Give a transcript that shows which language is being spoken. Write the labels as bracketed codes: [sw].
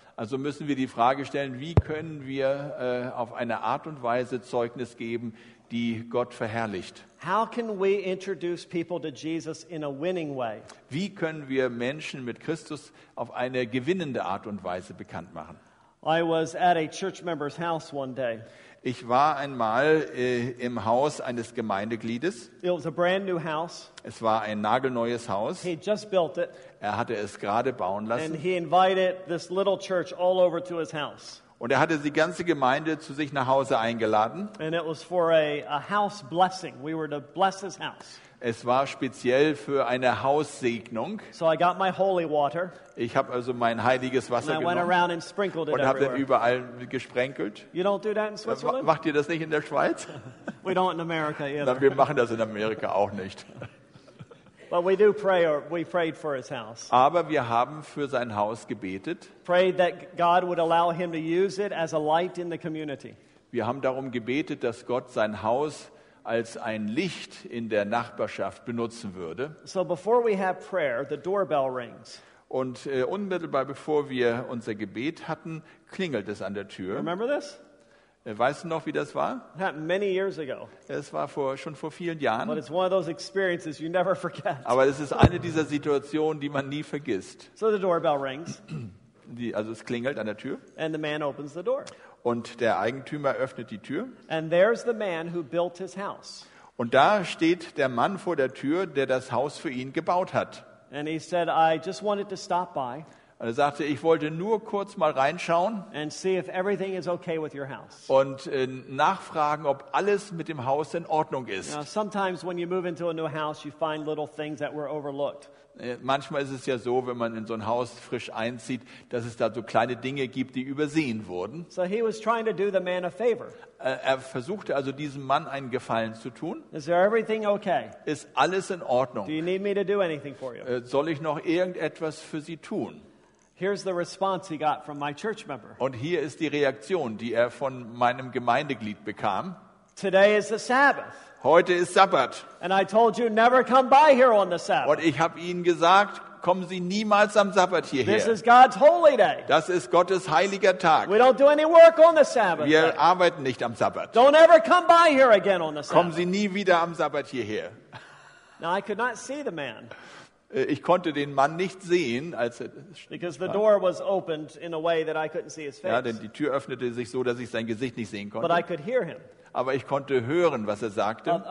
[de] Also müssen wir die Frage stellen, wie können wir auf eine Art und Weise Zeugnis geben, die Gott verherrlicht? [en] How can we introduce people to Jesus in a winning way? [de] Wie können wir Menschen mit Christus auf eine gewinnende Art und Weise bekannt machen? [en] I was at a church member's house one day. [de] Ich war einmal im Haus eines Gemeindegliedes. [en] It was a brand new house. [de] Es war ein nagelneues Haus. [en] He just built it. [de] Er hatte es gerade bauen lassen. [en] And he invited this little church all over to his house. [de] Und er hatte die ganze Gemeinde zu sich nach Hause eingeladen. [en] And it was for a house blessing. We were to bless his house. [de] Es war speziell für eine Haussegnung. [en] So I got my holy water. [de] Ich habe also mein heiliges Wasser [en] and I [de] genommen [en] went around and sprinkled it [de] und habe dann überall gesprenkelt. [en] You don't do that in Switzerland? [de] Macht ihr das nicht in der Schweiz? [en] We don't in America either. [de] Na, wir machen das in Amerika auch nicht. [en] But we do pray, or we prayed for his house. [de] Aber wir haben für sein Haus gebetet. [en] Prayed that God would allow him to use it as a light in the community. [de] Wir haben darum gebetet, dass Gott sein Haus als ein Licht in der Nachbarschaft benutzen würde. [en] So before we have prayer, the doorbell rings. [de] Und unmittelbar bevor wir unser Gebet hatten, klingelt es an der Tür. [en] Remember this? [de] Weißt du noch, wie das war? [en] Many years ago. [de] Es war schon vor vielen Jahren. [en] But it's one of those experiences you never forget. [de] Aber es ist eine dieser Situationen, die man nie vergisst. [en] So the doorbell rings. [de] Also es klingelt an der Tür. [en] And the man opens the door. [de] Und der Eigentümer öffnet die Tür. [en] And there's the man who built his house. [de] Und da steht der Mann vor der Tür, der das Haus für ihn gebaut hat. [en] And he said, I just wanted to stop by. [de] Und er sagte, ich wollte nur kurz mal reinschauen [en] and see if everything is okay with your house. [de] Und nachfragen, ob alles mit dem Haus in Ordnung ist. [en] Now, sometimes when you move into a new house, you find little things that were overlooked. [de] Manchmal ist es ja so, wenn man in so ein Haus frisch einzieht, dass es da so kleine Dinge gibt, die übersehen wurden. [en] So he was trying to do the man a favor. [de] Er versuchte also, diesem Mann einen Gefallen zu tun. [en] Is there everything okay? [de] Ist alles in Ordnung? [en] Do you need me to do anything for you? [de] Soll ich noch irgendetwas für Sie tun? [en] Here's the response he got from my church member. [de] Und hier ist die Reaktion, die er von meinem Gemeindeglied bekam. [en] Today is the Sabbath. [de] Heute ist Sabbat. [en] And I told you never come by here on the Sabbath. [de] Und ich habe Ihnen gesagt, kommen Sie niemals am Sabbat hierher. [en] This is God's holy day. [de] Das ist Gottes heiliger Tag. [en] We don't do any work on the Sabbath. [de] Wir arbeiten nicht am Sabbat. [en] Don't ever come by here again on the Sabbath. [de] Kommen Sie nie wieder am Sabbat hierher. [en] Now I could not see the man. [de] Ich konnte den Mann nicht sehen, als er [en] because the door was opened in a way that I couldn't see his face. [de] Ja, denn die Tür öffnete sich so, dass ich sein Gesicht nicht sehen konnte. [en] But I could hear him. [de] Aber ich konnte hören, was er sagte.